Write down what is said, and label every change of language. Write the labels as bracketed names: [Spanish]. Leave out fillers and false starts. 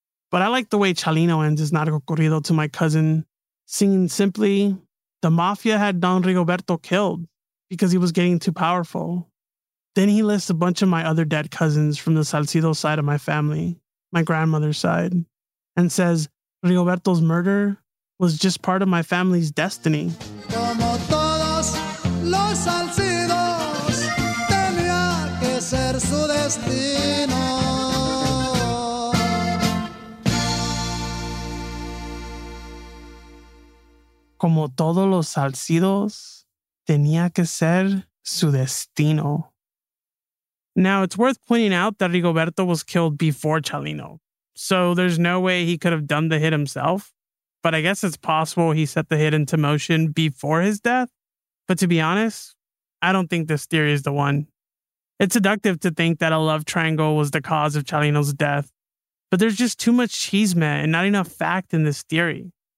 [English] But I like the way Chalino ends his narco corrido to my cousin, singing simply, "The mafia had Don Rigoberto killed because he was getting too powerful." Then he lists a bunch of my other dead cousins from the Salcido side of my family, my grandmother's side, and says, "Rigoberto's murder was just part of my family's destiny." [Spanish] Como todos los Salcidos, tenía que ser su destino. Como todos los Salcidos, tenía que ser su destino. [English] Now, it's worth pointing out that Rigoberto was killed before Chalino, so there's no way he could have done the hit himself, but I guess it's possible he set the hit into motion before his death. But to be honest, I don't think this theory is the one. It's seductive to think that a love triangle was the cause of Chalino's death, but there's just too much chisme and not enough fact in this theory.